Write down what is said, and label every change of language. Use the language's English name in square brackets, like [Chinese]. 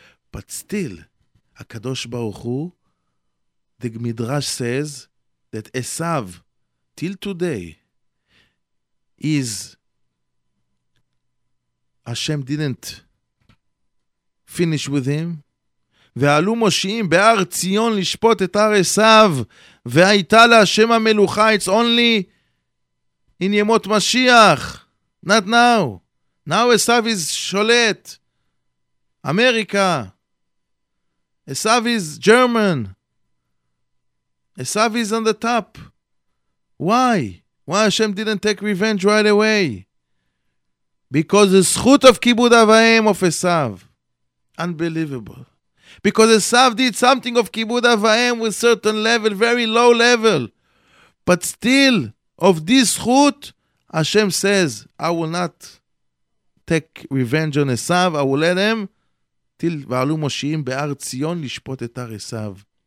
[English] But still, HaKadosh Baruch Hu, the Midrash says that Esav, till today, is Hashem didn't finish with him. [Hebrew] ועלו מושיעים בהר ציון לשפוט את הר עשיו, והייתה להשם המלוכה, [English] it's only in ימות משיח. Not now. Now עשיו is שולט. אמריקה. עשיו is German. עשיו is on the top. Why? Why Hashem didn't take revenge right away? Because the זכות of כיבוד אב ואם of עשיו. Unbelievable. Because Esav did something of Kibud Av Va'em with certain level, very low level. But still, of this chut, Hashem says, I will not take revenge on Esav, I will let him till Va'alu Moshiim Be'ar Tzion Lishpot Etar Esav.